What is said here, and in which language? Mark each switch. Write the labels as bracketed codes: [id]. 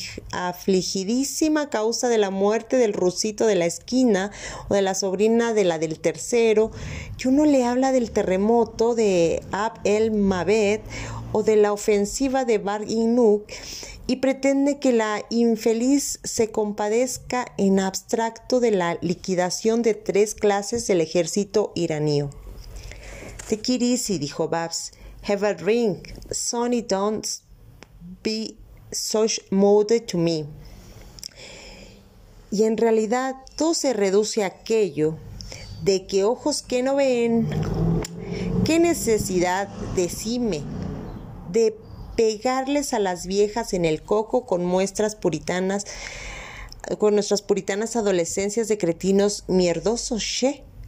[es] afligidísima a causa de la muerte del rusito de la esquina o de la sobrina de la del tercero, y uno le habla del terremoto de Ab el Mabed o de la ofensiva de Bar Inuk y pretende que la infeliz se compadezca en abstracto de la liquidación de 3 clases del ejército iraní. [en] Take it easy, [es] dijo Babs. [en] Have a drink. Sonny, don't be such mode to me. [es] Y en realidad todo se reduce a aquello de que ojos que no ven, qué necesidad, decime, de pegarles a las viejas en el coco con muestras puritanas, con nuestras puritanas adolescencias de cretinos mierdosos, che.